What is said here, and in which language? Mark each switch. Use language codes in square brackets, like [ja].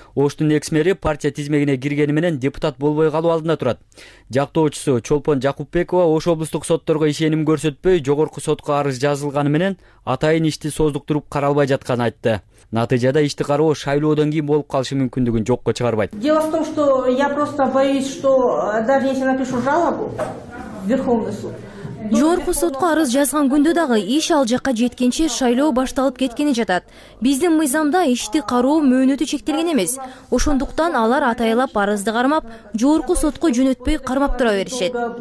[ky] Оштун экс мэри партия тизмегине киргени менен депутат болбой калуу алдында турат. Жактоочусу Чолпон Жакупбекова Ош облустук сотторго ишеним көрсөтпөй, жогорку сотко арыз жазылганы менен атайын ишти создуктуруп каралбай жатканын айтты. Натыйжада ишти кароо шайлоодон кийин болуп калышы мүмкүндүгүн жокко чыгарбайт. [ru] Дело в том, что я просто боюсь, что даже если напишу жалобу в Верховный суд, [ky] Жогорку сотко арыз жазган күндө дагы иш ал жакка жеткенче шайлоо башталып кеткени жатат. Биздин мыйзамда ишти кароо мөөнөтү чектелген эмес. Ошондуктан алар атайылап арызды кармап, жогорку сотко жөнөтпөй кармап тура беришет.